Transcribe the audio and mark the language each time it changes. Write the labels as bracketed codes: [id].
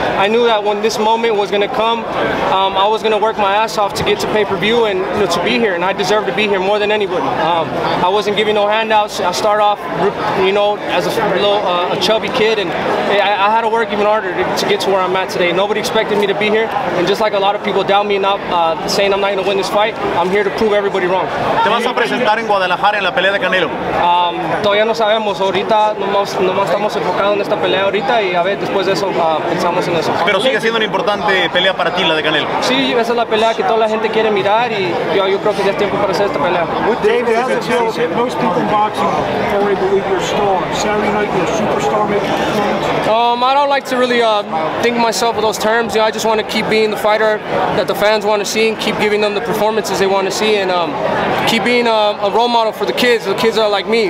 [en] I knew that when this moment was going to come, I was going to work my ass off to get to pay-per-view and, you know, to be here, and I deserve to be here more than anybody. I wasn't giving no handouts. I started off, you know, as a chubby kid, and I had to work even harder to get to where I'm at today. Nobody expected me to be here, and just like a lot of people doubt me and saying I'm not going to win this fight, I'm here to prove everybody wrong. [es] ¿Te vas a presentar en Guadalajara en la pelea de Canelo? Todavía no sabemos. Ahorita nomás estamos enfocados en esta pelea ahorita, y a ver, después de eso, pensamos en eso. Pero sigue siendo una importante pelea para ti, la de Canelo. Sí, esa es la pelea que toda la gente quiere mirar, y yo creo que ya es tiempo para hacer esta pelea. [en] With David, as it feels, most people in boxing already believe you're a star. Saturday night, you're a superstar, make I don't like to really think of myself with those terms. You know, I just want to keep being the fighter that the fans want to see and keep giving them the performances they want to see, and keep being a role model for the kids. The kids are like me.